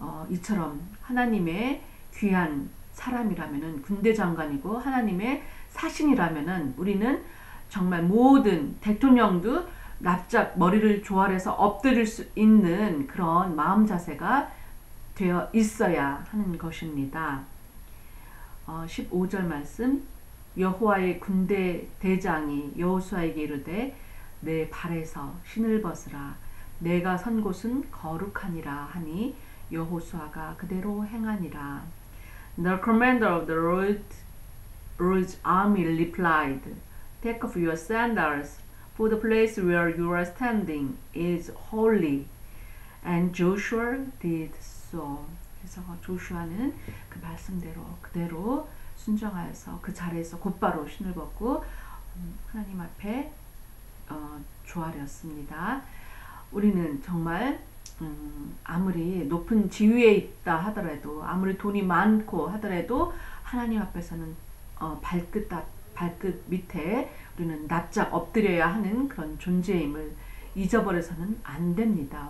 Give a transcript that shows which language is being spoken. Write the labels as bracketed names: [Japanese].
[Korean] 이처럼 하나님의 귀한 사람이라면은 군대 장관이고 하나님의 사신이라면은 우리는 정말 모든 대통령도 납작 머리를 조아려서 엎드릴 수 있는 그런 마음 자세가 되어 있어야 하는 것입니다. 15절 말씀, 여호와의 군대 대장이 여호수아에게 이르되 내 발에서 신을 벗으라. 내가 선 곳은 거룩하니라 하니 여호수아가 그대로 행하니라. [English] The commander of the Lord's army replied, "Take off your sandals, for the place where you are standing is holy." And Joshua did so. [Korean] 그래서 조슈아는 그 말씀대로 그대로 순종하여서 그 자리에서 곧바로 신을 벗고 하나님 앞에 조아렸습니다. 우리는 정말 아무리 높은 지위에 있다 하더라도 아무리 돈이 많고 하더라도 하나님 앞에서는 발끝 밑에 우리는 납작 엎드려야 하는 그런 존재임을 잊어버려서는 안 됩니다.